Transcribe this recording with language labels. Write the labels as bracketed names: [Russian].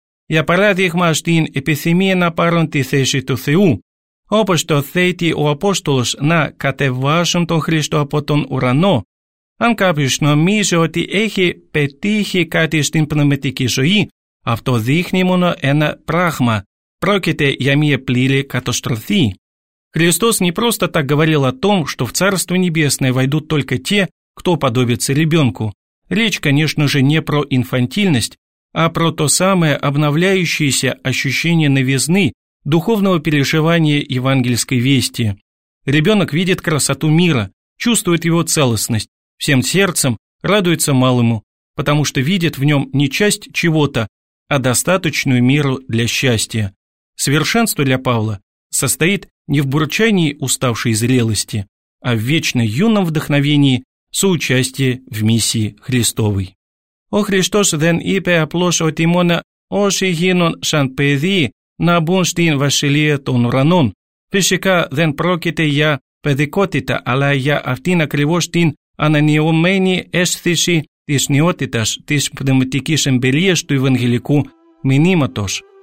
[Greek] Για παράδειγμα στην επιθυμία να πάρουν τη θέση του Θεού, όπως το θέτει ο Απόστολος να κατεβάσουν τον Χριστό από τον ουρανό, αν κάποιος νομίζει ότι έχει πετύχει κάτι στην πνευματική ζωή, αυτό δείχνει μόνο ένα πράγμα, πρόκειται για μια πλήρη καταστροφή. [Russian] Χριστός не просто так говорил о том, что в Царство Небесное войдут только те, кто подобится ребенку. Речь, конечно же, не про инфантильность, а про то самое обновляющееся ощущение новизны, духовного переживания евангельской вести. Ребенок видит красоту мира, чувствует его целостность, всем сердцем радуется малому, потому что видит в нем не часть чего-то, а достаточную меру для счастья. Совершенство для Павла состоит не в бурчании уставшей зрелости, а в вечно юном вдохновении соучастия в миссии Христовой. [Greek] Ο Χριστός δεν είπε απλώς ότι μόνο όσοι γίνουν σαν παιδί να μπουν στην Βασιλεία των Ουρανών. Φυσικά δεν πρόκειται για παιδικότητα, αλλά για αυτήν ακριβώς την ανανεωμένη αίσθηση της νεότητας, της πνευματικής εμπειρίας του Ευαγγελικού μηνύματος.